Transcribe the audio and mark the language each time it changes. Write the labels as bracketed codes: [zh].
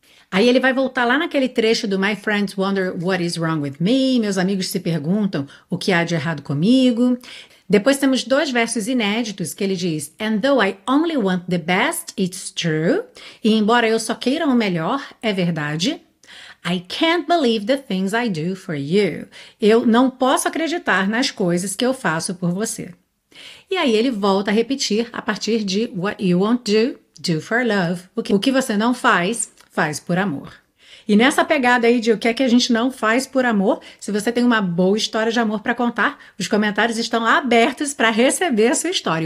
[pt] Aí ele vai voltar lá naquele trecho do [en] My friends wonder what is wrong with me. [pt] Meus amigos se perguntam o que há de errado comigo. Depois temos dois versos inéditos que ele diz: [en] And though I only want the best, it's true. [pt] E embora eu só queira o melhor, é verdade. [en] I can't believe the things I do for you. [pt] Eu não posso acreditar nas coisas que eu faço por você. E aí ele volta a repetir a partir de [en] What you won't do, do for love. [pt] O que você não faz, faz por amor. E nessa pegada aí de o que é que a gente não faz por amor, se você tem uma boa história de amor para contar, os comentários estão abertos para receber a sua história.